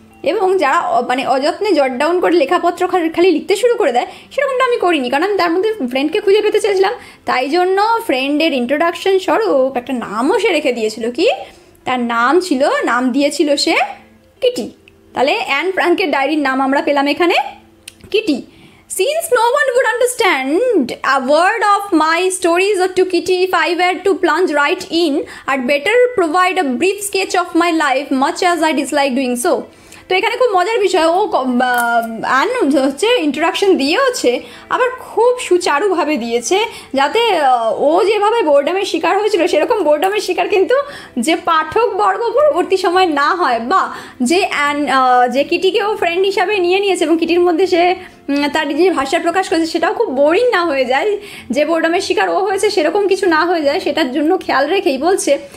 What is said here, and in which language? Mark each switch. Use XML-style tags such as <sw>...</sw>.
<bn>এবং যারা মানে অযত্নে</bn> <en>jot down</en> <bn>করে লেখাপত্র খালি লিখতে শুরু করে দেয়, সেরকমটা আমি করিনি, কারণ আমি তার মধ্যে ফ্রেন্ডকে খুঁজে পেতে চেয়েছিলাম। তাই জন্য ফ্রেন্ডের ইন্ট্রোডাকশন স্বরূপ একটা নামও সে রেখে দিয়েছিল, কি তার নাম ছিল, নাম দিয়েছিল সে কিটি। তাহলে অ্যান ফ্রাঙ্কের ডায়েরির নাম আমরা পেলাম এখানে Kitty.</bn> <en>Since no one would understand a word of my stories to Kitty, if I were to plunge right in, I'd better provide a brief sketch of my life, much as I dislike doing so.</en> <bn>তো এখানে খুব মজার বিষয়, ও and হচ্ছে introduction দিয়েওছে, আবার খুব সুচারুভাবে দিয়েছে, যাতে ও যেভাবে বোর্ডামের শিকার হয়েছিল সেরকম বোর্ডামের শিকার কিন্তু যে পাঠক বর্গ পরবর্তী সময় না হয়, বা যে অ্যান যে কিটিকে ও ফ্রেন্ড হিসাবে নিয়ে নিয়েছে এবং কিটির মধ্যে সে তার যে ভাষা প্রকাশ করেছে সেটাও খুব বোরিং না হয়ে যায়, যে বোর্ডামের শিকার ও হয়েছে সেরকম কিছু না হয়ে যায়, সেটার জন্য খেয়াল রেখেই বলছে।</bn>